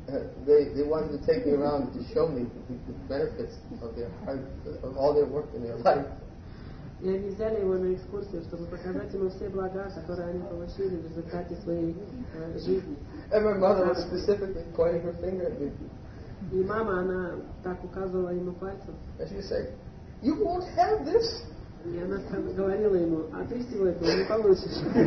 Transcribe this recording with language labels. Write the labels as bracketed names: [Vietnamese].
[English] They wanted to take me around to show me the benefits of their hard, of all their work in their life. [Russian] И они взяли его на экскурсию, чтобы показать ему все блага, которые они получили в результате своей жизни. [English] And my mother was specifically pointing her finger at me. [Russian] И мама, она так указывала ему пальцем. [English] And she said, "You won't have this." [Russian] И она говорила ему, а ты всего этого не получишь.